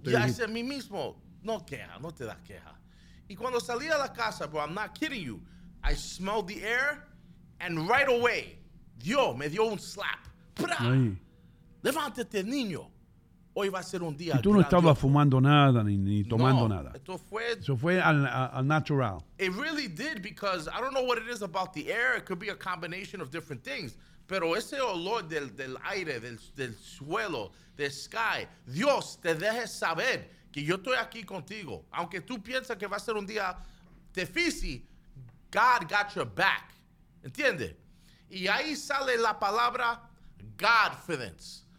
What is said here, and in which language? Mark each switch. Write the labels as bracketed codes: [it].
[es] Ya dice a mí mismo. No queja, no te das queja. Y cuando salí a la casa, [en] bro, I'm not kidding you, I smelled the air, and right away, [es] Dios me dio un slap. ¡Pra! Ahí. Levántate, niño. Hoy va a ser un día. Y tú no estabas fumando nada ni tomando nada. Esto fue. Eso fue al natural. [en] It really did because I don't know what it is about the air. It could be a combination of different things. [es] Pero ese olor del aire, del suelo, del sky, Dios te deje saber que yo estoy aquí contigo. Aunque tú piensas que va a ser un día difícil, [en] God got your back. [es] ¿Entiendes? Y ahí sale la palabra confidence.